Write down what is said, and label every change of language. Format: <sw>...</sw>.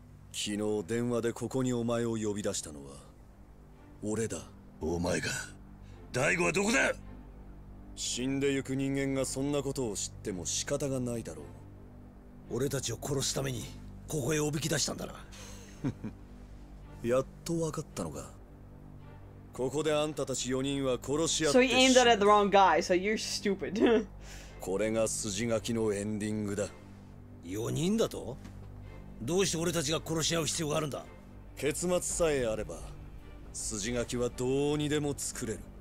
<ja>昨日電話でここにお前を呼び出したのは俺だ。お前が。大吾はどこだ。死んでゆく人間がそんなことを知っても仕方がないだろう。俺たちを殺すためにここへおびき出したんだな。やっと分かったのか。ここであんたたち4人は殺し合って死ぬ。</ja> <en>So he aimed that at the wrong guy, so you're stupid.</en> <ja>これが筋書きのエンディングだ。 4人だと？どうして俺たちが殺し合う必要があるんだ？結末さえあれば、筋書きはどうにでも作れる。</ja>